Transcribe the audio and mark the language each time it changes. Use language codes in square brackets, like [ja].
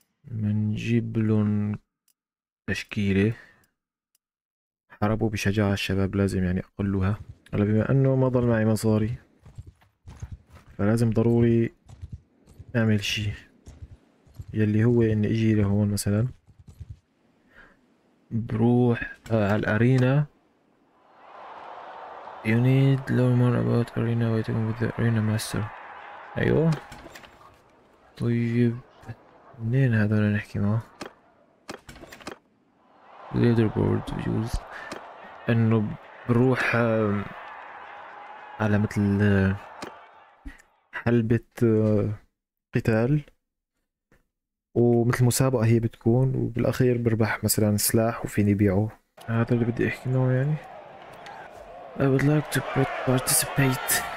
[ar] منجيب لهم تشكيلة، حاربوا بشجاعة الشباب، لازم يعني أقلوها. هلا بما أنه ما ضل معي مصاري فلازم ضروري أعمل شي، يلي هو إني أجي لهون مثلا، بروح على الأرينا. [en] You need to learn more about arena waiting with the arena master. [ar] أيوه طيب، منين هذا اللي نحكي معه؟ ليدر بورد بجوز، انه بروح على مثل حلبة قتال ومثل مسابقة هي بتكون، وبالاخير بربح مثلا سلاح وفيني بيعه. هذا اللي بدي احكي معه يعني. [en] I would like to participate.